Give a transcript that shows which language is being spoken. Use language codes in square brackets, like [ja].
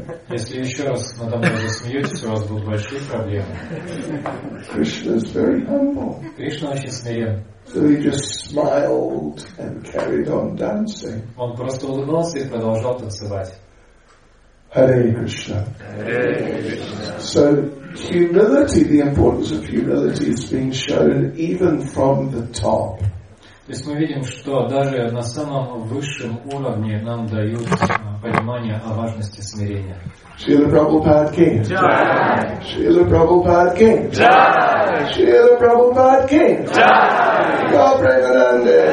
[ru] Если еще раз надо мной засмеетесь, у вас будут большие проблемы. [en] Krishna is very humble. [ru] Кришна очень смирен. [en] So he just smiled and carried on dancing. [ru] Он просто улыбался и продолжал танцевать. [en] Hare Krishna. Hare Krishna. So humility, the importance of humility is being shown even from the top. [ru] То есть мы видим, что даже на самом высшем уровне нам дают понимание о важности смирения. [en] Srila Prabhupada King. Jai. Srila Prabhupada King. Jai. Srila Prabhupada King. Jai. Gaur Premanande.